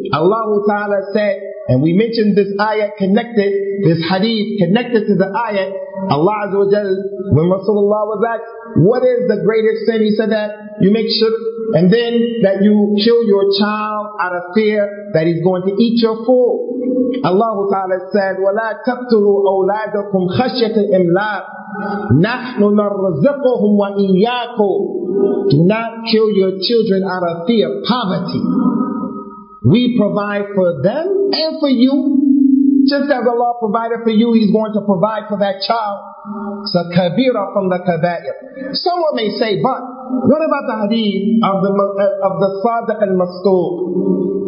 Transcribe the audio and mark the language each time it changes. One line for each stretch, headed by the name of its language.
English: Allah Ta'ala said, and we mentioned this ayah connected, this hadith connected to the ayah, Allah Azza wa Jal, when Rasulullah was asked, what is the greatest sin? He said that you make shirk, and then that you kill your child out of fear that he's going to eat your food. Allah Ta'ala said,
Arabic: وَلَا تَقْتُلُوا أَوْلَادَكُمْ خَشْيَةَ إِمْلَاقٍ نَحْنُ نَرْزِقُهُمْ وَإِيَّاكُمْ.
English: Do not kill your children out of fear of poverty. We provide for them and for you. Just as Allah provided for you, He's going to provide for that child. It's a kabira from the kabair. Someone may say, but what about the hadith of the Sadiq al-Masduq?